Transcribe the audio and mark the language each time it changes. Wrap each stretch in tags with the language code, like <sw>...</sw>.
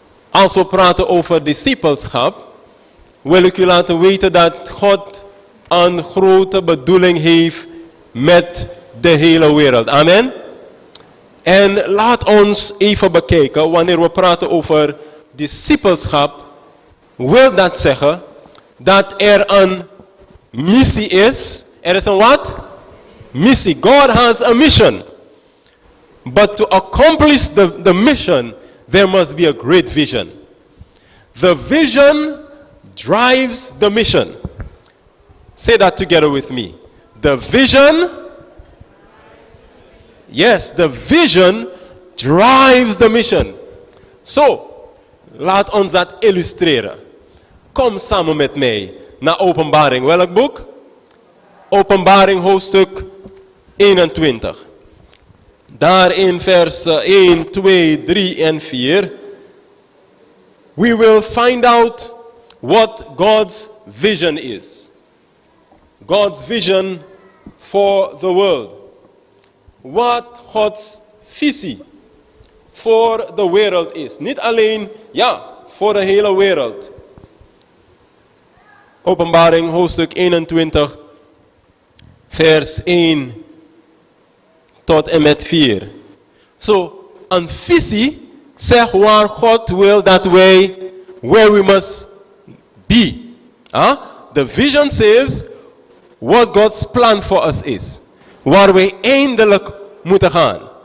<nl>Als we praten over discipelschap, wil ik u laten weten dat God een grote bedoeling heeft met de hele wereld. Amen. En laat ons even bekijken, wanneer we praten over discipelschap, wil dat zeggen dat er een missie is. Er is een wat? Missie.</nl> <en>God has a mission. But to accomplish the mission, there must be a great vision. The vision drives the mission. Say that together with me. The vision. Yes, the vision drives the mission.</en> <nl>So, laat ons dat illustreren. Kom samen met mij naar Openbaring. Welk boek? Openbaring hoofdstuk 21. Daar in vers 1, 2, 3 en 4.</nl> <en>We will find out what God's vision is. God's vision for the world.</en> <nl>Wat Gods visie voor de wereld is. Niet alleen, ja, voor de hele wereld. Openbaring hoofdstuk 21, vers 1 tot en met 4. Zo, een visie zegt waar God wil dat wij,</nl> <en>where we must be. The vision says what God's plan for us is.</en> <nl>Waar we eindelijk moeten gaan.</nl>